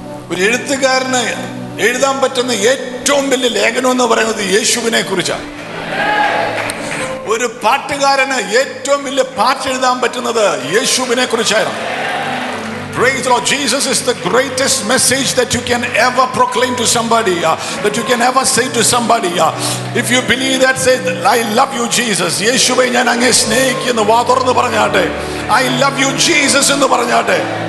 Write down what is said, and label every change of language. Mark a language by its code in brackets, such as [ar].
[ml] ഒരു എഴുത്തുകാരന് എഴുതാൻ പറ്റുന്ന ഏറ്റവും വലിയ ലേഖനം എന്ന് പറയുന്നത് യേശുവിനെ കുറിച്ചാണ്. ഒരു പാട്ടുകാരന് ഏറ്റവും വലിയ പാട്ട് എഴുതാൻ പറ്റുന്നത് യേശുവിനെ കുറിച്ചാണ്. [en] Praise the Lord. Jesus is the greatest message that you can ever proclaim to somebody, that you can ever say to somebody. If you believe that, say, I love you Jesus. [ml] യേശുവേ ഞാൻ അങ്ങേ സ്നേഹിക്കുന്നു, വാ തുറന്ന് പറഞ്ഞാട്ടെ. [en] I love you Jesus [ml] എന്ന് പറഞ്ഞാട്ടെ.